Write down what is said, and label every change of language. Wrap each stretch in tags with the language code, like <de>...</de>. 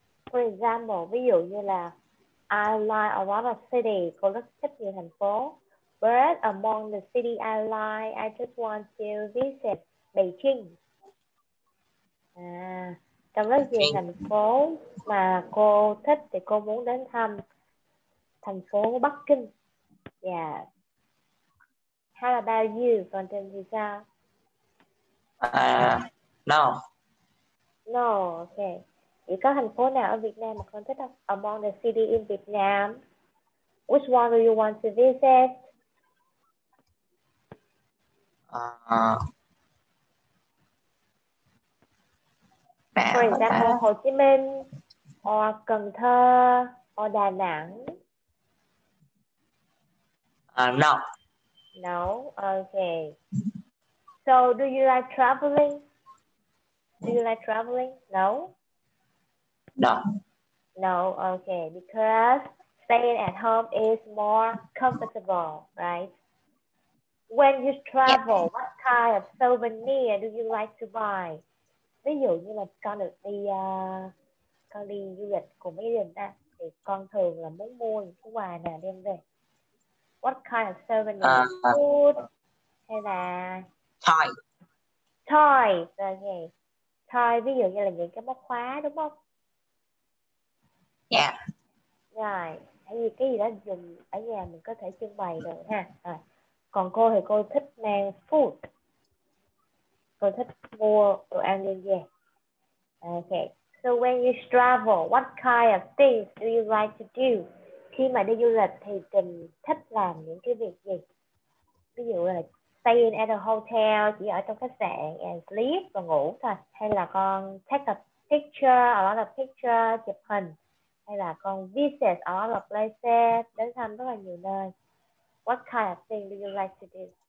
<en>For example,</en> <vi>ví dụ như là</vi> <en>I like a lot of city,</en> <vi>cô rất thích nhiều thành phố.</vi> <en>But among the city I like, I just want to visit Beijing.</en> <vi>À, trong rất nhiều thành phố mà cô thích thì cô muốn đến thăm thành phố Bắc Kinh.</vi> <en>Yeah. How about you?</en> <vi>Còn tên thì sao?</vi> <en>No. No, okay.</en> <vi>Chỉ có thành phố nào ở Việt Nam mà con thích không?</vi> <en>Among the city in Vietnam, which one do you want to visit? For example, Hồ Chí Minh, or Cần Thơ, or Đà Nẵng. No. No? Okay. So, do you like traveling? Do you like traveling? No? No. No, okay. Because staying at home is more comfortable, right? When you travel, yeah. What kind of souvenir do you like to buy?</en> <vi>Ví dụ như là con được đi con đi du lịch của mấy đứa ta thì con thường là muốn mua những cái quà nào đem về.</vi> <en>What kind of souvenir? Food</en> <vi>hay là</vi> <en>toy.</en> <vi>Toy, rồi nghe. Toy ví dụ như là những cái móc khóa đúng không? Yeah. Rồi, tại vì cái gì đó dùng ở nhà mình có thể trưng bày được ha. Rồi. Còn cô thì cô thích mang food. Cô thích mua đồ ăn đem về. Okay.</vi> <en>So when you travel, what kind of things do you like to do?</en> <vi>Khi mà đi du lịch thì Trình thích làm những cái việc gì? Ví dụ là</vi> <en>staying at a hotel,</en> <vi>chỉ ở trong khách sạn</vi> <en>and sleep</en> <vi>và ngủ thôi. Hay là con</vi> <en>take a picture, a lot of picture,</en> <vi>chụp hình. Hay là con</vi> <en>visit a lot of places,</en> <vi>đến thăm rất là nhiều nơi.</vi> <en>What kind of thing do you like to do?</en>